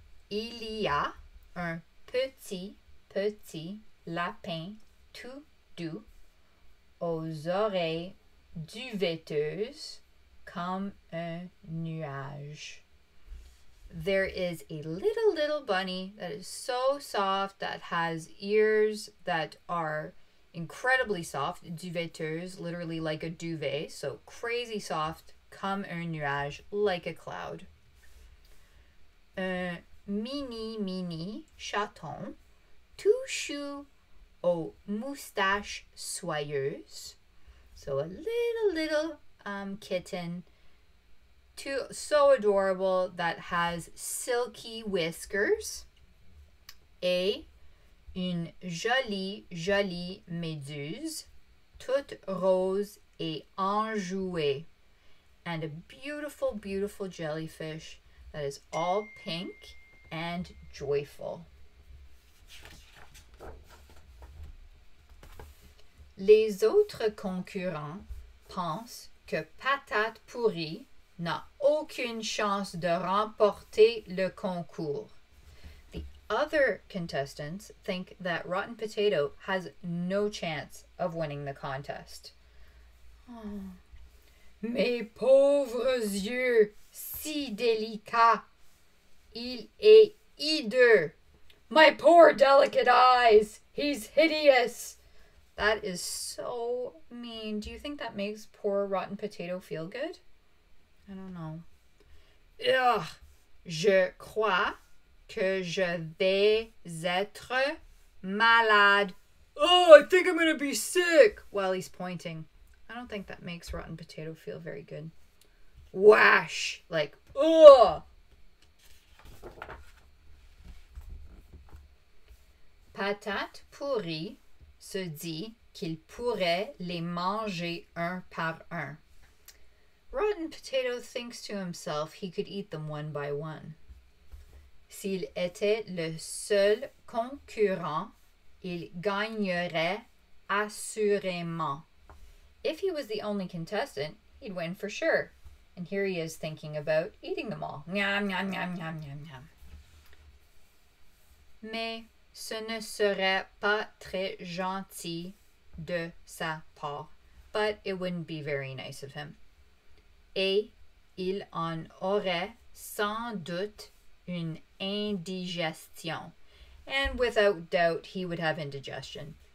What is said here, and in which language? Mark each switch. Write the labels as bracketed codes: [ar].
[fr] Il y a un petit lapin tout doux aux oreilles duveteuses comme un nuage. [en] There is a little bunny that is so soft, that has ears that are incredibly soft, duveteuse, literally like a duvet, so crazy soft, [fr] comme un nuage, [en] like a cloud. [fr] Un mini chaton, tout chou aux moustaches soyeuses. [en] So a little kitten, too, so adorable, that has silky whiskers. [fr] Et une jolie méduse, toute rose et enjouée. [en] And a beautiful jellyfish that is all pink and joyful. [fr] Les autres concurrents pensent que Patate Pourrie n'a aucune chance de remporter le concours. [en] The other contestants think that Rotten Potato has no chance of winning the contest. [fr] Mes pauvres yeux, si délicats. Il est hideux. [en] My poor delicate eyes, he's hideous. That is so mean. Do you think that makes poor Rotten Potato feel good? I don't know. [fr] Ugh, je crois que je vais être malade. [en] Oh, I think I'm going to be sick. While he's pointing. I don't think that makes Rotten Potato feel very good. Wash. Like, ugh. [fr] Patate Pourrie se dit qu'il pourrait les manger un par un. [en] Rotten Potato thinks to himself he could eat them one by one. [fr] S'il était le seul concurrent, il gagnerait assurément. [en] If he was the only contestant, he'd win for sure. And here he is thinking about eating them all. Nyam, nyam, nyam, nyam, nyam, nyam. [fr] Mais ce ne serait pas très gentil de sa part. [en] But it wouldn't be very nice of him. [fr] Et il en aurait sans doute une indigestion. [en] And without doubt, he would have indigestion.